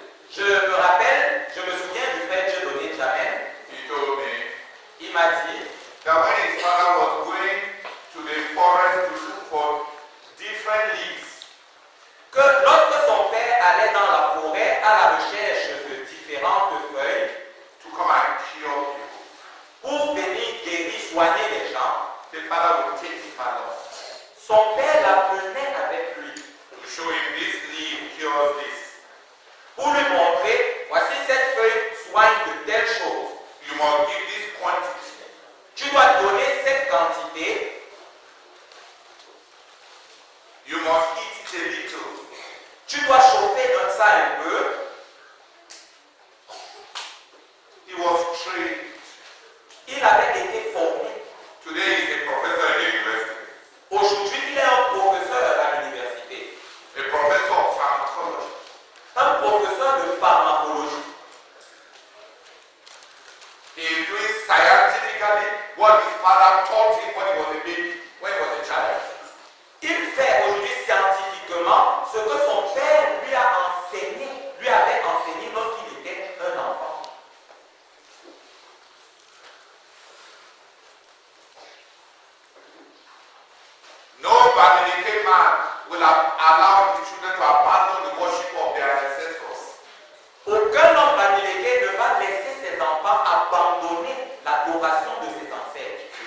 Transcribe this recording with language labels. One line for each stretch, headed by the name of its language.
French: Je me rappelle, je me souviens du frère Dieu donné Jamel. Il m'a dit
English: that when his father was going to the forest to look for different leaves.
French: Que lorsque son père allait dans la forêt à la recherche de différentes feuilles
English: to come and cure people,
French: pour venir guérir, soigner les gens,
English: the father would take his father.
French: Son père l'amenait avec lui
English: to show him this leaf cures this.
French: Pour lui montrer, voici cette feuille soigne de telle chose.
English: You must give this quantity.
French: Tu dois donner cette quantité.
English: You must eat it a little.
French: Tu dois chauffer comme ça un peu.
English: He was trained.
French: Il avait été formé.
English: Today he's a professor at the university.
French: Aujourd'hui, il est un professeur à l'université.
English: A professor of pharmacology.
French: Un professeur de pharmacologie.
English: He is doing scientifically what his father taught him when he was a baby, when he was a child.
French: Il fait aujourd'hui scientifiquement ce que son père lui a enseigné, lui avait enseigné lorsqu'il était un enfant.
English: No Babylonian man will allow his children to abandon the worship of their ancestors.
French: Aucun homme babylonien ne va laisser ses enfants abandonner l'adoration de ses ancêtres.